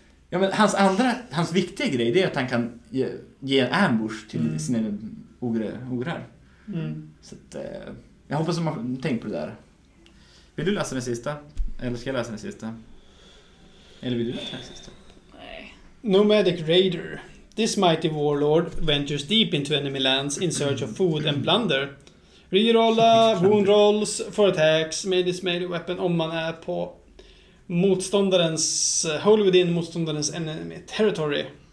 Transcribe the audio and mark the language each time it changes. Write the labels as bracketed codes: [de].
[sv] Ja, men hans viktiga grej är att han kan ge ambush till sina ograr. Mm. Så att, jag hoppas att man tänker på det där. Vill du läsa den sista? Eller ska jag läsa den sista? Eller vill du läsa den sista? Nej. [en] Nomadic Raider. This mighty warlord ventures deep into enemy lands in search of food and plunder. [sv] Rerolla [en] wound rolls for attacks [sv] med [en] this melee weapon [sv] om man är på motståndarens [en] enemy territory.